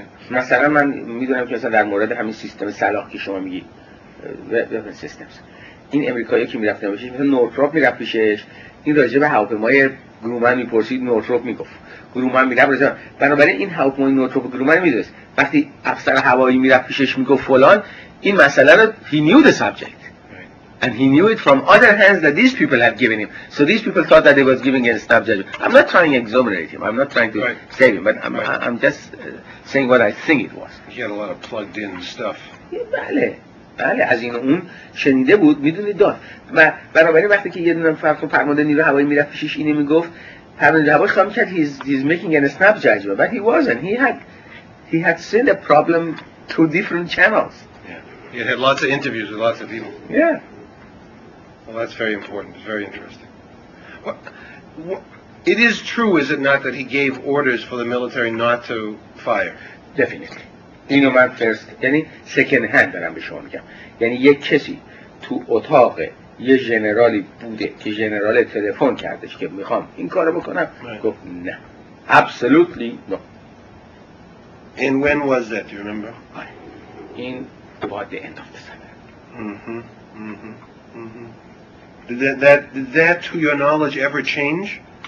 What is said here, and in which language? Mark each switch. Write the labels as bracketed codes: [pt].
[fa] مثلا من میدونم که مثلا در مورد همین سیستم سلاح که شما میگی weapon systems این امریکایی که میرفتن پیشش مثلا نورتروپ میرفت پیشش این راجع به هواپیمای گرومن میپرسید نورتروپ میگفت گرومن میرفت راجع بنابراین این هواپیمای نورتروپ گرومن میدونست وقتی افسر هوایی میرفت پیشش میگفت فلان این مسئله رو [en] he knew the subject and he knew it from other hands that these people had given him so these people thought that they was giving him a snap judgment. I'm not trying to exonerate him, I'm not trying to save him, but I'm just saying what I think it was. He had a lot of plugged in stuff. [fa] بله بله از این اون شنیده بود میدونی داد و بنابراین وقتی که یه دونم فرق فرمانده نیرو هوایی میرفت پیشش اینه میگفت فرمانده هوایی خواهم کرد [en] he's making a snap judgment but he wasn't, he had seen the problem through different channels. Yeah. He had lots of interviews with lots of people. Yeah. Well, that's very important. It's very interesting. It is true, is it not, that he gave orders for the military not to fire? Definitely. You know, my first, yani second hand, [fa] دارم به شما میگم. یعنی یک کسی تو اتاق یه جنرالی بوده که جنرال تلفن کردش که میخوام این کارو بکنم. [en] Right. [fa] گفت نه. [en] Absolutely no. And when was that, do you remember? In about the end of the summer. Mm-hmm, mm-hmm, mm-hmm. Did that, to your knowledge, ever change?